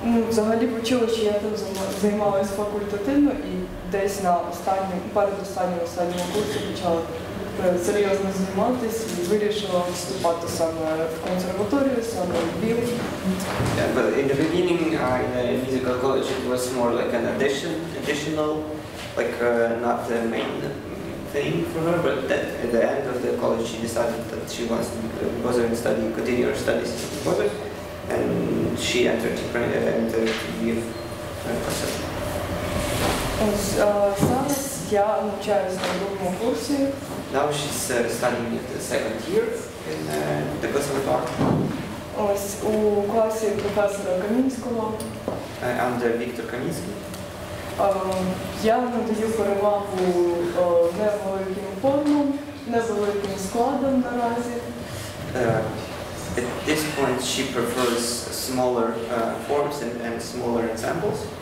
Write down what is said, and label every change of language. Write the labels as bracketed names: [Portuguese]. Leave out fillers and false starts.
[Ukrainian] Взагалі в училищі я там займалася факультативно і десь на останньому курсі почала серйозно займатися і вирішила вступати саме в консерваторію, саме в Лвів. [English] Yeah, but in the beginning in musical college it was more like an additional, like not the main thing for her, but then at the end of the college she decided that she wants to continue her studies in composer. And she entered to bring it into Lviv concert. [Ukrainian] Зараз я навчаюся на другому курсі. [English] Now she's studying in the second year in the conservatory. [Ukrainian] Ось у класі професора Камінського. [English] Under Victor Kaminsky. [Ukrainian] Я надаю перевагу невеликим формам, невеликим складом наразі. [English] At this point, she prefers smaller forms and smaller ensembles.